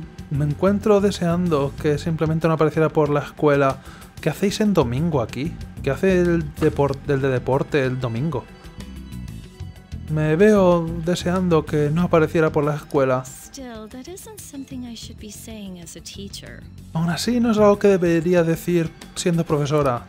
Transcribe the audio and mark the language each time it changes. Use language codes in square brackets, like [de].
[es] Me encuentro deseando que simplemente no apareciera por la escuela. ¿Qué hacéis en domingo aquí? ¿Qué hace el de deporte el domingo? Me veo deseando que no apareciera por la escuela. [en] Still, that isn't something I should be saying as a teacher. [es] Aún así, no es algo que debería decir siendo profesora.